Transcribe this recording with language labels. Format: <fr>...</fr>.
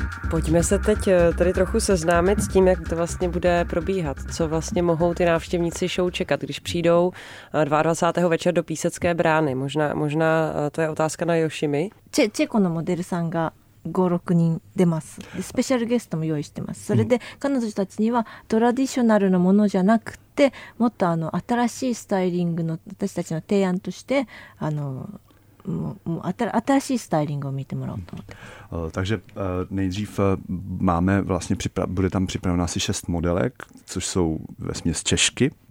<cs>Pojďme se teď tady trochu seznámit s tím, jak to vlastně bude probíhat. Co vlastně mohou ty návštěvníci show čekat, když přijdou 22. večer do Písecké brány. Možná to je otázka na Yoshimi.</cs> <ja>Čeko no modelさん ga 5-6 人出ます。で、スペシャルゲストも用意してます。それで彼女たちにはトラディショナルのものじゃなくて、もっとあの新しいスタイリングの私たちの提案として、あの、新しいスタイリングを見てもらおうと思って。</ja> <cs>Takže nejdřív máme vlastně bude tam připravena asi 6 modelek, což jsou vesměs Češky.</cs>